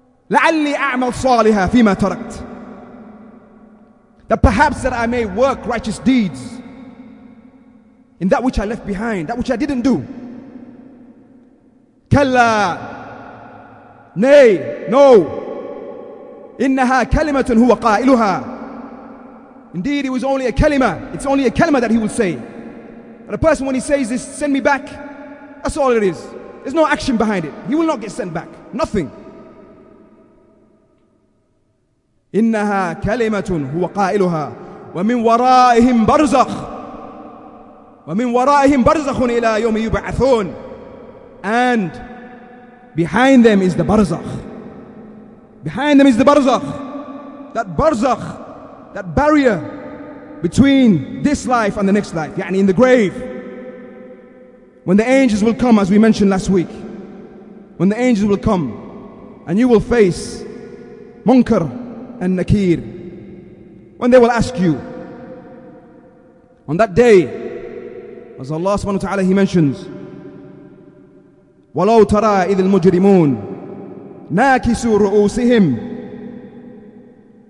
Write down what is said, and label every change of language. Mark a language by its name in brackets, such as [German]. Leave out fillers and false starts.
[Arabic] لعلي أعمل صالحا فيما تركت [English] that perhaps that I may work righteous deeds in that which I left behind that which I didn't do كلا nay no [Arabic] إنها كلمة هو قائلها [English] indeed it was only a kalima it's only a kalima that he will say and a person when he says this send me back that's all it is there's no action behind it he will not get sent back nothing [Arabic] إنها كلمة هو قائلها ومن ورائهم برزخ ومن ورائهم برزخ إلى يوم يبعثون [English] and behind them is the barzakh. Behind them is the barzakh. That barzakh, that barrier between this life and the next life, yani in the grave. When the angels will come, as we mentioned last week, when the angels will come and you will face Munkar and Nakir, when they will ask you, on that day, as Allah subhanahu wa ta'ala, He mentions, [Arabic] وَلَوْ تَرَى إِذِ الْمُجْرِمُونَ نَاكِسُوا رُؤُوسِهِمْ.